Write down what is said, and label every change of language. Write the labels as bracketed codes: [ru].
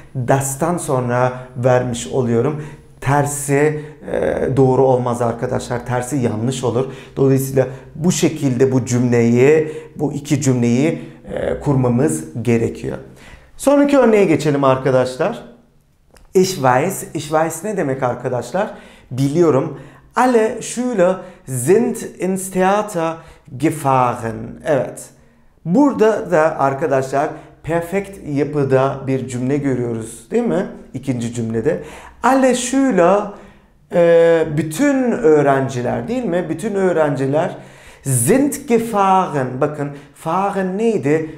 [tr] Das'tan sonra vermiş oluyorum. Tersi doğru olmaz arkadaşlar. Tersi yanlış olur. Dolayısıyla bu şekilde bu cümleyi, bu iki cümleyi kurmamız gerekiyor. Sonraki örneğe geçelim arkadaşlar. [de] Ich weiß. Ich weiß ne demek arkadaşlar? Biliyorum. Alle Schüler sind ins Theater gefahren. [tr] Evet. Burada da arkadaşlar perfekt yapıda bir cümle görüyoruz, değil mi? İkinci cümlede. Alle Schüler, bütün öğrenciler, değil mi? Bütün öğrenciler sind gefahren. Bakın, fahren neydi?